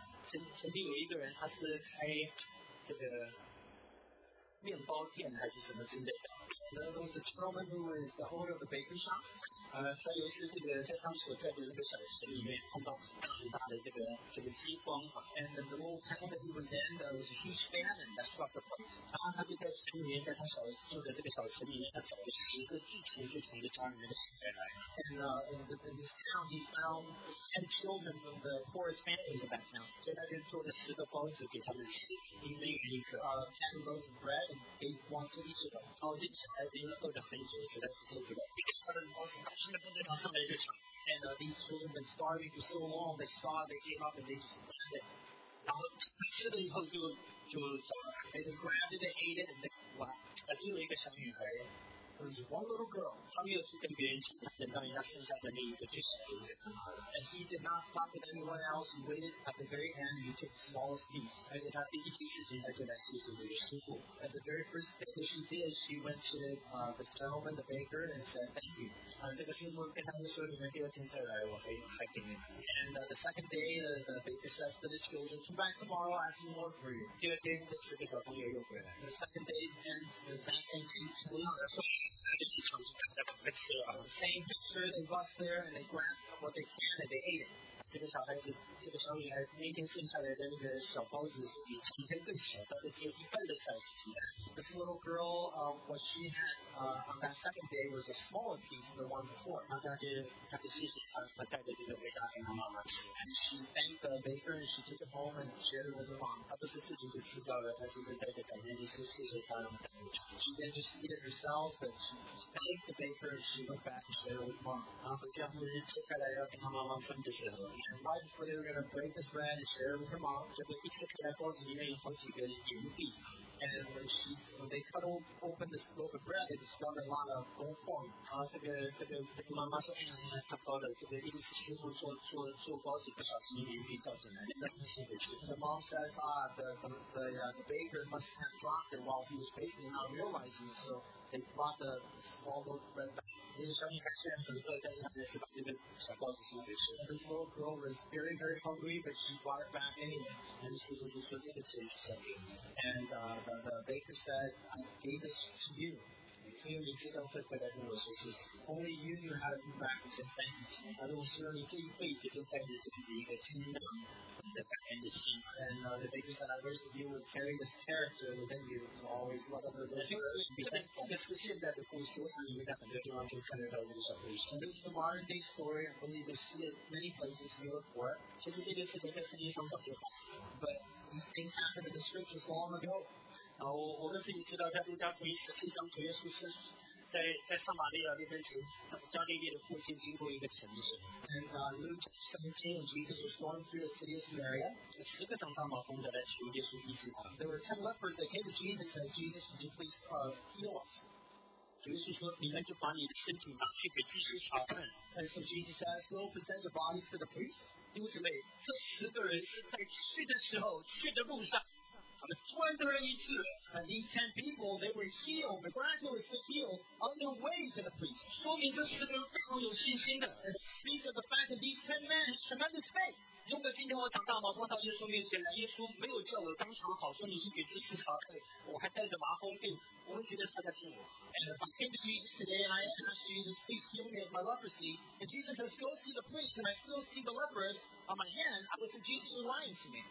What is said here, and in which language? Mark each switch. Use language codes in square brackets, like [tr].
[zh] 曾经有一个人，他是开这个面包店还是什么之类的。 [en] There was a gentleman who was the owner of the bakery shop. [zh] 他有一次这个在他们所在的那个小城里面碰到很大的这个饥荒。 [en] And the little town that he was in, there was a huge famine that struck the place. [zh] 然后他就在城里面，在他小住的这个小城里面，他找了十个最穷最穷的家里面的小孩来。 [en] In this town, he found 10 children from the poorest families of that town. [zh] 所以他就做了十个包子给他们吃，一人一个。 [en] 10 loaves of bread. And gave one to each of them. And these children have been starving for so long, they saw, they came up and they just grabbed it. [zh] 然后吃了以后就 [en] and they grabbed it and ate it and they left. [zh] 只有一个小女孩 [en] There was one little girl. [zh] 他没有去跟别人抢，他等到人家剩下的那一个就是别人。 [en] And he did not talk with anyone else. He waited at the very end. He took the smallest piece. [zh] 而且他第一件事情，他就来谢谢那个师傅。 [en] And the very first thing that she did, she went to the gentleman, the baker, and said thank you. [zh] 这个师傅跟他们说，你们第二天再来，我还给你们。 [en] And the second day, the baker says to the children, come back tomorrow, ask me more for you. [zh] 第二天，这十个小朋友又回来。 [en] The second day, and the same thing, same picture, they bust there and they grab what they can and they ate it. [zh] 这个小孩子，这个小女孩那天剩下来的那个小包子比从前更小，大概只有一半的 size 级的。 [en] This little girl, what she had on that second day was a smaller piece than the one before. [zh] 然后她就谢谢她，她带着这个回家给她妈妈吃。 [en] And she thanked the baker and she took it home and shared it with her mom. [zh] 她不是自己就吃掉了，她就是带着感恩的心谢谢家人们。 [en] She then just ate it herself, but she thanked the baker and she went back and shared it with mom. [zh] 然后回家后就切开来要给她妈妈分的时候。 [en] And right before they were going to break this bread and share it with her mom, [zh] 结果一切开来包子里面有好几个银币。 [en] And when they cut open this loaf of bread, they discovered a lot of gold coins. [zh] 然后这个妈妈说，哎呀，这太高了，这个一定是师傅做包子不小心银币掉进来，那不行的。 [en] The mom says, the baker must have dropped it while he was baking, not realizing, so they brought the small loaf of bread back. [zh] 这个小女孩虽然很饿，但是她还是把这个小包子送回去。 [en] This little girl was very, very hungry, but she brought it back anyway. [zh] 然后师傅就说这个钱是送给你。 [en] And the baker said, I gave this to you. [zh] 只有你知道会回来跟我说谢谢。 [en] Only you knew how to come back and say thank you to me. [zh] 而我希望你这一辈子都带着这样的一个清淡的感恩的心。 [en] And the baker said, I wish that you would carry this character within you to always love other people. [zh] 这个是现在的故事，我想你们在很多地方就看得到这个小故事。 [en] This is the modern day story. I believe you see it many places in Europe. For [zh] 其实这个事情在圣经上早就发生了。 [en] But these things happened in the scriptures long ago. [zh] 然后我们自己知道，在路加福音十七章，主耶稣是在撒玛利亚那边从加利利的附近经过一个城的时候。 [en] And Luke 17, Jesus was going through the city of Samaria. [zh] 十个长大麻风的来求耶稣医治他。 [en] There were 10 lepers that came to Jesus and said, Jesus, would you please heal us? [zh] 耶稣说：“你们就把你的身体拿去给祭司查看。” [en] And so Jesus asked, "Will present the bodies to the priests?" [zh] 弟兄姊妹，这十个人是在去的时候，去的路上，他们全得了医治。 [en] And these 10 people, they were healed, miraculously healed on their way to the priest. [zh] 说明这十个人非常有信心的。 [en] And speaks of the fact that these 10 men have tremendous faith. [zh] 如果今天我长大麻风到耶稣面前来，耶稣没有叫我当场好，说你是给祭司查看，我还带着麻风病，我会觉得他在骗我。 [en] And if I came to Jesus today and I asked Jesus, please heal me of my leprosy, and Jesus says, go see the priest, and I still see the lepers on my hand, I would say Jesus is lying to me.